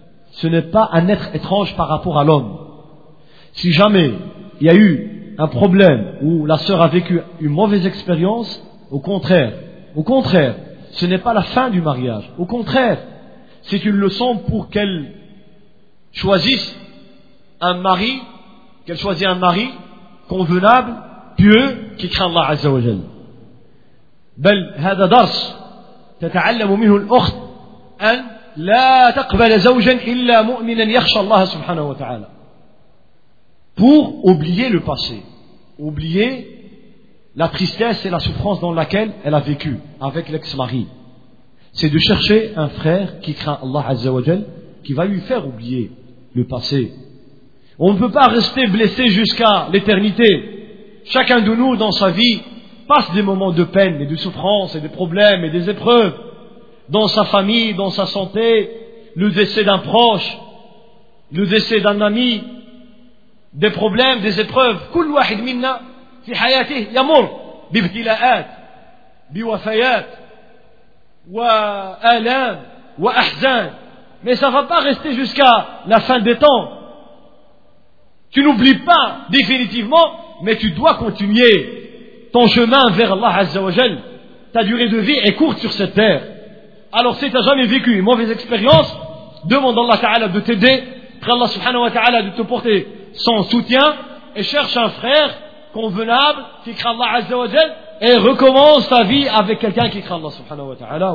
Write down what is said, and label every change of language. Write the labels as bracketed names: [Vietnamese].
[French] Ce n'est pas un être étrange par rapport à l'homme. Si jamais il y a eu un problème ou la sœur a vécu une mauvaise expérience, au contraire, ce n'est pas la fin du mariage. Au contraire, c'est une leçon pour qu'elle choisisse un mari, qu'elle choisisse un mari convenable, pieux, qui craint Allah Azza wa Jal. [Arabic] بل هذا درس تتعلم منه الأخت أن لا تقبل زوجا إلا مؤمنا يخشى الله سبحانه وتعالى. [French] Pour oublier le passé, oublier la tristesse et la souffrance dans laquelle elle a vécu avec l'ex-mari, c'est de chercher un frère qui craint Allah Azza wa Jal, qui va lui faire oublier le passé. On ne peut pas rester blessé jusqu'à l'éternité. Chacun de nous dans sa vie passe des moments de peine et de souffrance et des problèmes et des épreuves dans sa famille, dans sa santé, le décès d'un proche, le décès d'un ami, des problèmes, des épreuves. [Arabic] كل واحد منا في حياته يمر بابتلاءات بوفيات وآلام وأحزان. [French] Mais ça ne va pas rester jusqu'à la fin des temps. Tu n'oublies pas définitivement, mais tu dois continuer. ton chemin vers Allah Azza wa Jal, ta durée de vie est courte sur cette terre. Alors si tu n'as jamais vécu une mauvaise expérience, demande Allah Ta'ala de t'aider, prie Allah Subhanahu wa Ta'ala de te porter son soutien, et cherche un frère convenable qui craint Allah Azza wa Jal, et recommence ta vie avec quelqu'un qui craint Allah Subhanahu wa Ta'ala.